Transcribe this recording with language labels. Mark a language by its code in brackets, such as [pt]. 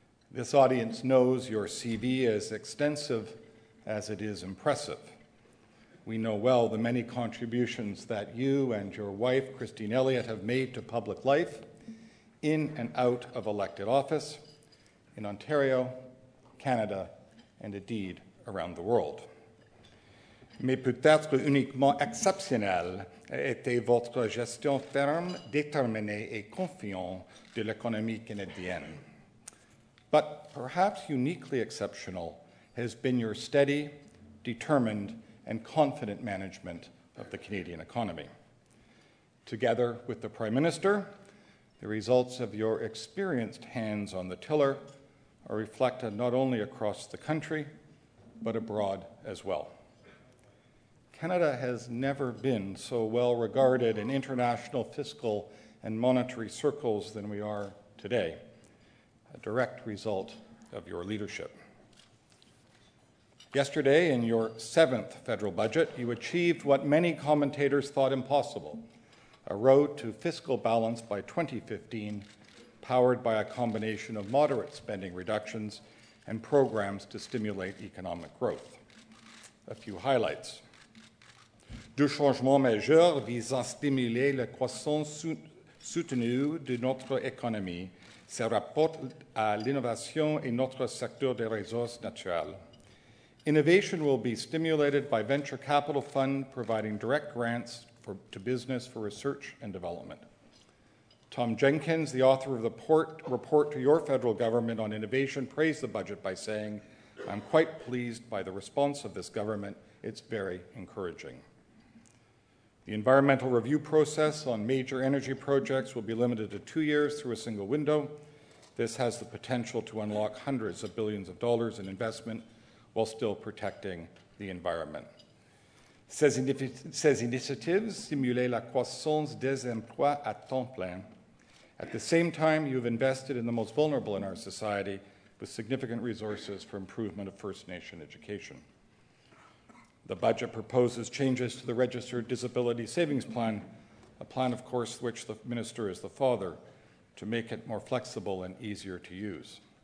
[en] This audience knows your CV as extensive as it is impressive. We know well the many contributions that you and your wife, Christine Elliott, have made to public life in and out of elected office, in Ontario, Canada, and indeed around the world. [fr] Mais peut-être uniquement exceptionnel était votre gestion ferme, déterminée et confiante de l'économie canadienne. [en] But perhaps uniquely exceptional has been your steady, determined, and confident management of the Canadian economy. Together with the Prime Minister, the results of your experienced hands on the tiller are reflected not only across the country, but abroad as well. Canada has never been so well regarded in international fiscal and monetary circles than we are today, a direct result of your leadership. Yesterday, in your seventh federal budget, you achieved what many commentators thought impossible, a road to fiscal balance by 2015, powered by a combination of moderate spending reductions and programs to stimulate economic growth. A few highlights. [fr] Deux changements majeurs visant à stimuler la croissance soutenue de notre économie se rapportent à l'innovation et notre secteur des ressources naturelles. [en] Innovation will be stimulated by venture capital fund providing direct grants to business for research and development. Tom Jenkins, the author of the report to your federal government on innovation, praised the budget by saying, I'm quite pleased by the response of this government. It's very encouraging. The environmental review process on major energy projects will be limited to 2 years through a single window. This has the potential to unlock hundreds of billions of dollars in investment while still protecting the environment. [fr] Ces initiatives stimulent la croissance des emplois à temps plein. [en] At the same time, you've invested in the most vulnerable in our society with significant resources for improvement of First Nation education. The budget proposes changes to the Registered Disability Savings Plan, a plan, of course, which the minister is the father, to make it more flexible and easier to use.